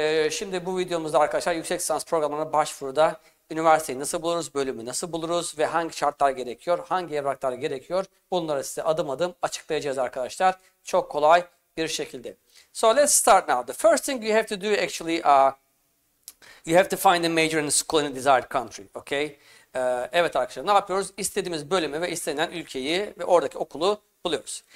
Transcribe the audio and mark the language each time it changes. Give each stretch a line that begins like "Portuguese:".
Turkish: Şimdi bu videomuzda arkadaşlar yüksek lisans programına başvuruda üniversiteyi nasıl buluruz, bölümü nasıl buluruz ve hangi şartlar gerekiyor, hangi evraklar gerekiyor, bunları size adım adım açıklayacağız arkadaşlar. Çok kolay bir şekilde. So let's start now.
English: The first thing you have to do actually, you have to find a major in the school in the desired country, okay?
Turkish: Evet arkadaşlar, ne yapıyoruz? İstediğimiz bölümü ve istenilen ülkeyi ve oradaki okulu buluyoruz.